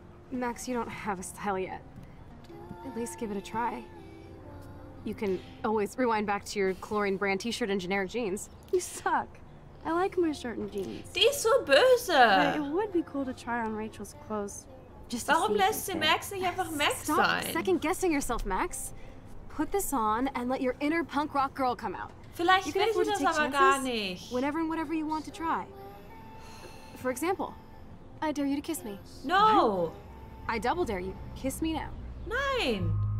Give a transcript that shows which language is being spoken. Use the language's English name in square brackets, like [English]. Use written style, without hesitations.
[English] Max, you don't have a style yet. At least give it a try. You can always rewind back to your chlorine brand t-shirt and generic jeans. You suck. I like my shirt and jeans. [German] Die ist so böse. [English] But it would be cool to try on Rachel's clothes. Just [German] warum lässt sie Max nicht einfach Max sein? [English] Stop second guessing yourself, Max. Put this on and let your inner punk rock girl come out. [German] Vielleicht will sie das aber gar nicht. [English] Whenever and whatever you want to try. For example, I dare you to kiss me. No. I double dare you. Kiss me now. [German] Nein.